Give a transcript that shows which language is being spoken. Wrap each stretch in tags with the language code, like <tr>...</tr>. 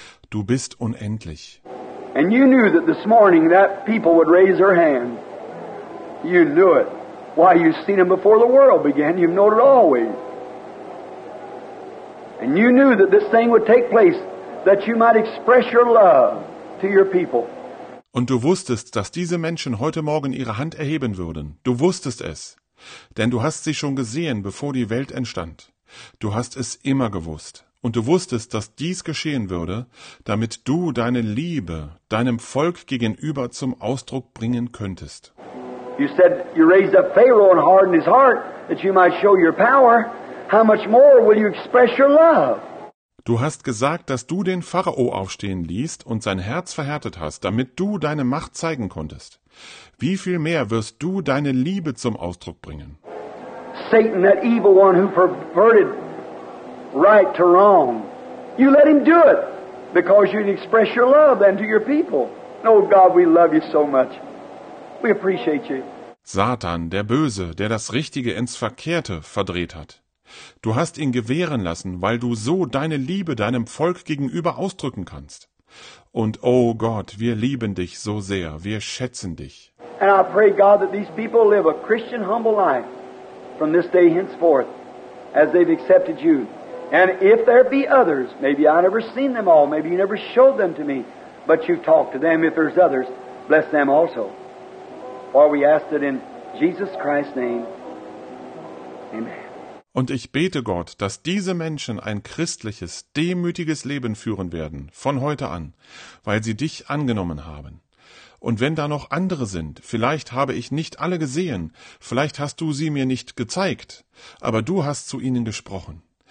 <de>Du bist unendlich.</de> <en>And you knew that this morning that people would raise their hand. You knew it. Why, you've seen them before the world began. You've known it always. And you knew that this thing would take place, that you might express your love to your people.</en> <de>Und du wusstest, dass diese Menschen heute Morgen ihre Hand erheben würden. Du wusstest es. Denn du hast sie schon gesehen, bevor die Welt entstand. Du hast es immer gewusst. Und du wusstest, dass dies geschehen würde, damit du deine Liebe deinem Volk gegenüber zum Ausdruck bringen könntest.</de> <en>You said you raised up Pharaoh and hardened his heart, that you might show your power. How much more will you express your love?</en> <de>Du hast gesagt, dass du den Pharao aufstehen ließt und sein Herz verhärtet hast, damit du deine Macht zeigen konntest. Wie viel mehr wirst du deine Liebe zum Ausdruck bringen?</de> <en>Satan, that evil one who perverted right to wrong. You let him do it because you'd express your love then to your people. Oh God, we love you so much. We appreciate you.</en> <de>Satan, der Böse, der das Richtige ins Verkehrte verdreht hat. Du hast ihn gewähren lassen, weil du so deine Liebe deinem Volk gegenüber ausdrücken kannst. Und, oh Gott, wir lieben dich so sehr, wir schätzen dich.</de> <en>And I pray, God, that these people live a Christian humble life from this day henceforth, as they've accepted you. And if there be others, maybe I never seen them all, maybe you never showed them to me, but you've talked to them, if there's others, bless them also. For we ask it in Jesus Christ's name. Amen.</en> <de>Und ich bete Gott, dass diese Menschen ein christliches, demütiges Leben führen werden, von heute an, weil sie dich angenommen haben. Und wenn da noch andere sind, vielleicht habe ich nicht alle gesehen, vielleicht hast du sie mir nicht gezeigt, aber du hast zu ihnen gesprochen.</de>